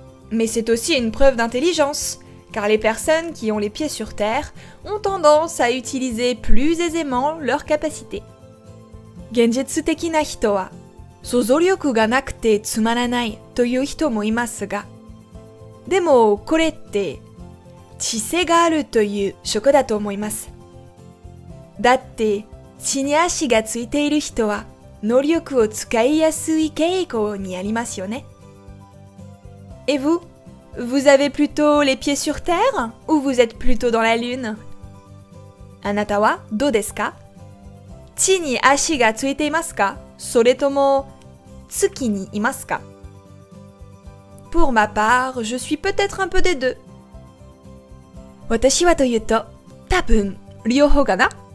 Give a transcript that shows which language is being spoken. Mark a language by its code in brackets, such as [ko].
[fr] Mais c'est aussi une preuve d'intelligence, car les personnes qui ont les pieds sur terre ont tendance à utiliser plus aisément leurs capacités. [ja] Genjitsu teki na hito wa sozoryoku ga nakute tsumaranai という人もいますが、でもこれって知性があるという証拠だと思います。だって地に足がついている人は能力を使いやすい傾向にありますよね。 [fr] Et vous? Vous avez plutôt les pieds sur terre ou vous êtes plutôt dans la lune? [ja] あなたはどうですか？地に足がついていますか？それとも月にいますか？ [fr] Pour ma part, je suis peut-être un peu des deux. [ja] 私はというと、多分両方かな？